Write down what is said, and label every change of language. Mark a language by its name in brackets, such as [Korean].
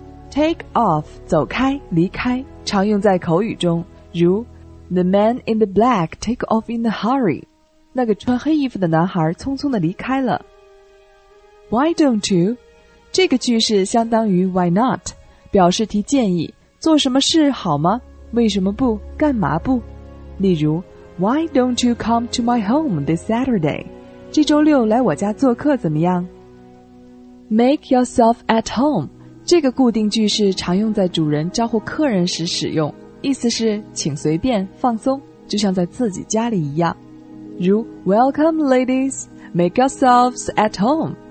[English] Take off [Chinese] 走开离开，常用在口语中，如 [English] The man in the black take off in a hurry. [Chinese] 那个穿黑衣服的男孩匆匆地离开了。 Why don't you? 这个句式相当于 why not? 表示提建议，做什么事好吗？为什么不？干嘛不？ [English] 例如 Why don't you come to my home this Saturday? [Chinese] 这周六来我家做客怎么样？ [English] Make yourself at home. [Chinese] 这个固定句式常用在主人招呼客人时使用，意思是请随便，放松，就像在自己家里一样。 [English] 如 Welcome ladies, make yourselves at home.